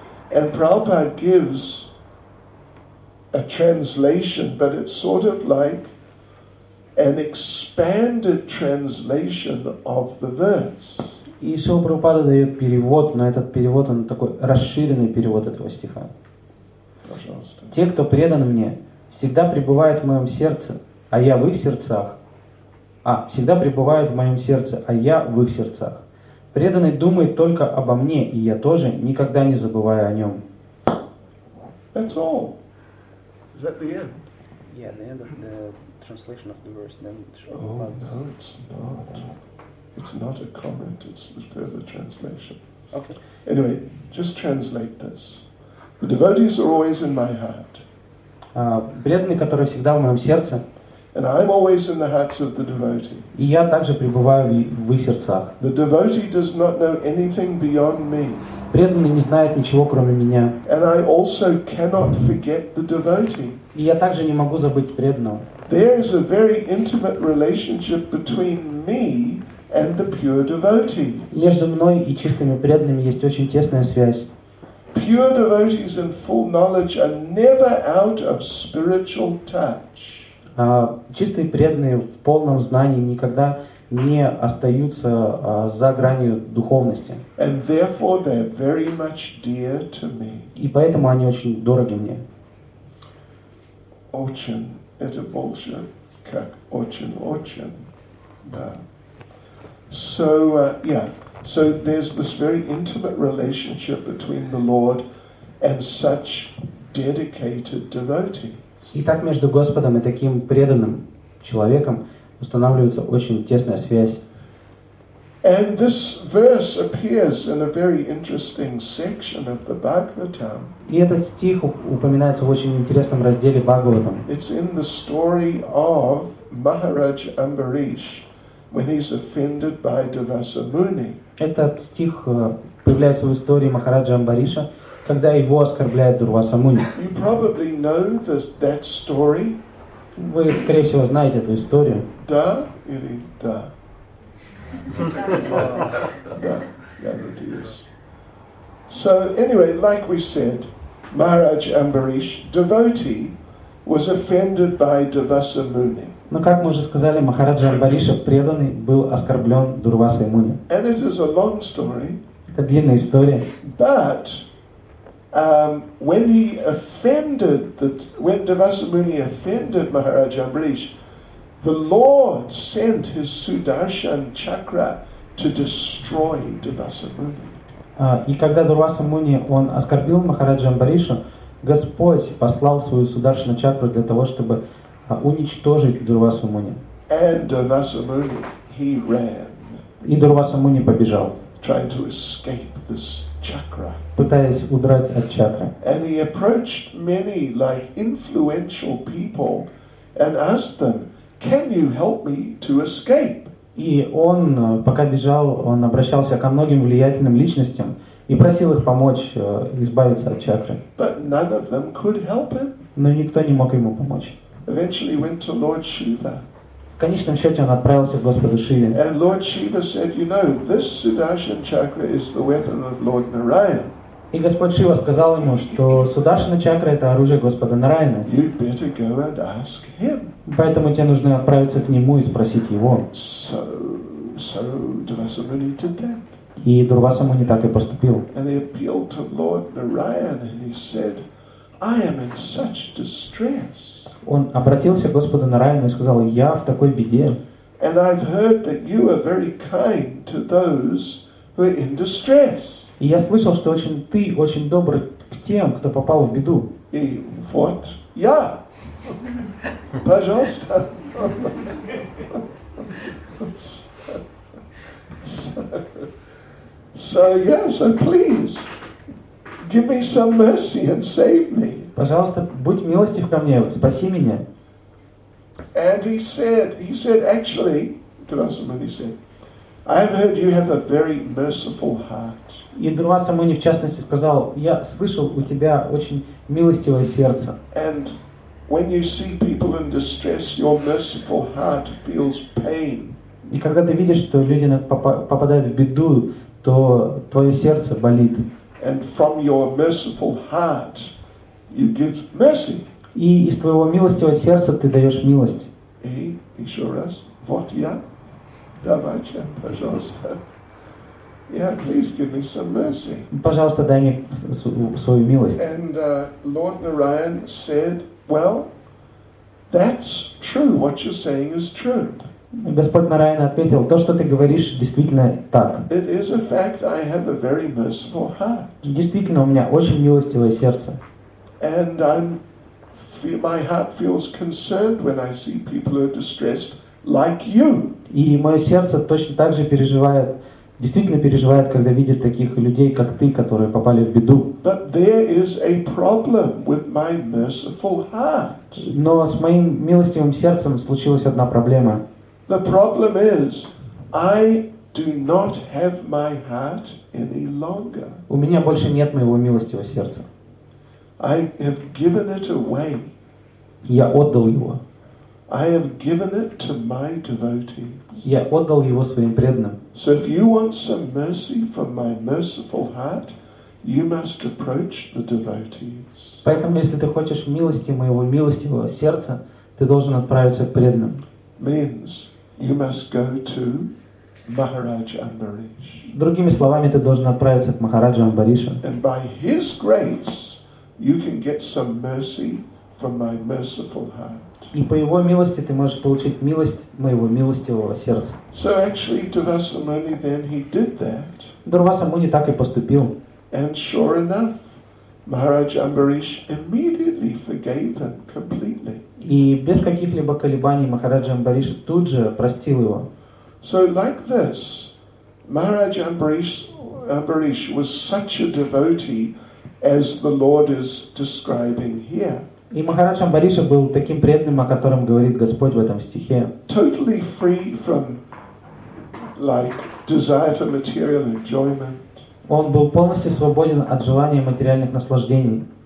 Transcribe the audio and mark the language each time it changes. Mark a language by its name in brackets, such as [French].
[English] And Prabhupada gives a translation, but it's sort of like an expanded translation of the verse. [Russian] И Шрила Прабхупада дает перевод, но этот перевод, он такой расширенный перевод этого стиха. Пожалуйста. Те, кто предан мне, всегда пребывают в моем сердце, а я в их сердцах. Всегда пребывают в моем сердце, а я в их сердцах. Преданный думает только обо мне, и я тоже никогда не забываю о нем. [English] That's all. Is that the end? Yeah, the end of the translation of the verse. Then it's not. It's not a comment. It's a further translation. Okay. Anyway, just translate this. The devotees are always in my heart. [Russian] Преданные, которые всегда в моем сердце. [English] And I'm always in the hearts of the devotee. [Russian] И я также пребываю в их сердцах. [English] The devotee does not know anything beyond me. [Russian] Преданный не знает ничего кроме меня. [English] And I also cannot forget the devotee. [Russian] И я также не могу забыть преданного. [English] There is a very intimate relationship between me and the pure devotee. [Russian] Между мной и чистыми преданными есть очень тесная связь. [English] Pure devotees in full knowledge are never out of spiritual touch. [Russian] Чистые преданные в полном знании никогда не остаются за гранью духовности. [English] And therefore they are very much dear to me. [Russian] И поэтому они очень дороги мне. Очень, это больше, как очень-очень, да. [English] So there's this very intimate relationship between the Lord and such dedicated devotees. [Russian] Итак, между Господом и таким преданным человеком устанавливается очень тесная связь. [English] And this verse appears in a very interesting section of the Bhagavatam. [Russian] И этот стих упоминается в очень интересном разделе Бхагаватам. [English] It's in the story of Maharaj Ambarish when he's offended by Devasa Muni. [Russian] Этот стих появляется в истории Махараджа Амбариша, когда его оскорбляет Дурваса Муни. [English] You probably know that story. [Russian] Вы, скорее всего, знаете эту историю. Да или да? Да, я надеюсь. [English] So, anyway, like we said, Maharaj Ambarish, devotee, was offended by Devasa Muni. [Russian] Но, как мы уже сказали, Махараджа Амбариша, преданный, был оскорблен Дурвасой Муни. [English] And it is a long story. [Russian] Это длинная история. [English] But when he offended when Devasa Muni offended Maharaj Ambarish, the Lord sent his Sudarshan Chakra to destroy Devasa Muni. [Russian] И когда Дурваса Муни он оскорбил Махараджа Амбариша, Господь послал свою Сударшану Чакру для того, чтобы уничтожить Дурвасу Муни. [English] And Devasa Muni, he ran. [Russian] И Дурваса Муни побежал. [English] Trying to escape this chakra. [Russian] Пытаясь удрать от чакры. [English] And he approached many like influential people and asked them, "Can you help me to escape?" [Russian] И он, пока бежал, он обращался ко многим влиятельным личностям и просил их помочь избавиться от чакры. [English] But none of them could help him. [Russian] Но никто не мог ему помочь. [English] Eventually went to Lord Shiva. [Russian] В конечном счете он отправился к Господу Шиве. [English] And Lord Shiva said, "You know, this Sudarshan chakra is the weapon of Lord Narayana." [Russian] И Господь Шива сказал ему, что Сударшана чакра — это оружие Господа Нараяны. [English] You'd better go and ask him. [Russian] Поэтому тебе нужно отправиться к нему и спросить его. [English] So Devasa Muni did that. [Russian] И Дурваса Муни так и поступил. [English] And he appealed to Lord Narayana and he said, "I am in such distress." [Russian] Он обратился к Господу Нараяну и сказал: "Я в такой беде." [English] And I've heard that you are very kind to those who are in distress. [Russian] И я слышал, что ты очень добр к тем, кто попал в беду. И вот я. Пожалуйста. [English] So please, give me some mercy and save me. [Russian] Пожалуйста, будь милостив ко мне, спаси меня. [English] And he said, actually, Devasa Muni said, "I have heard you have a very merciful heart." [Russian] И Дурваса Муни, в частности, сказал: "Я слышал, у тебя очень милостивое сердце." [English] And when you see people in distress, your merciful heart feels pain. [Russian] И когда ты видишь, что люди попадают в беду, то твое сердце болит. [English] And from your merciful heart, you give mercy. [Russian] И из твоего милостивого сердца ты даешь милость. И еще раз, вот я. Давайте, пожалуйста. [English] Yeah, please give me some mercy. [Russian] Пожалуйста, дай мне свою милость. [English] And Lord Narayan said, "Well, that's true. What you're saying is true." [Russian] Господь Нараяна ответил: "То, что ты говоришь, действительно так." [English] It is a fact. I have a very merciful heart. [Russian] Действительно, у меня очень милостивое сердце. [English] And my heart feels concerned when I see people who are distressed like you. [Russian] И мое сердце точно так же переживает. Действительно переживает, когда видит таких людей, как ты, которые попали в беду. [English] But there is a problem with my merciful heart. [Russian] Но с моим милостивым сердцем случилась одна проблема. [English] The problem is, I do not have my heart any longer. [Russian] У меня больше нет моего милостивого сердца. [English] I have given it away. [Russian] Я отдал его. [English] I have given it to my devotees. [Russian] Я отдал его своим преданным. [English] So if you want some mercy from my merciful heart, you must approach the devotees. [Russian] Поэтому, если ты хочешь милости моего милостивого сердца, ты должен отправиться к преданным. [English] Means you must go to Maharaj Ambarish. [Russian] Другими словами, ты должен отправиться к Махараджу Амбаришу. [English] And by His grace, you can get some mercy from my merciful heart. [Russian] И по Его милости ты можешь получить милость моего милостивого сердца. [English] So actually, Durvasamuni then he did that. [Russian] Дурвасамуни так и поступил. [English] And sure enough, Maharaj Ambarish immediately forgave him completely. [Russian] И без каких-либо колебаний Махараджа Амбариш тут же простил его. [English] So like this, Maharaj Ambarish was such a devotee, as the Lord is describing here. [Russian] И Махарадж Амбариша был таким преданным, о котором говорит Господь в этом стихе. [English] Totally free from, like, desire for material enjoyment. [Russian] Он был полностью свободен от желания материальных наслаждений.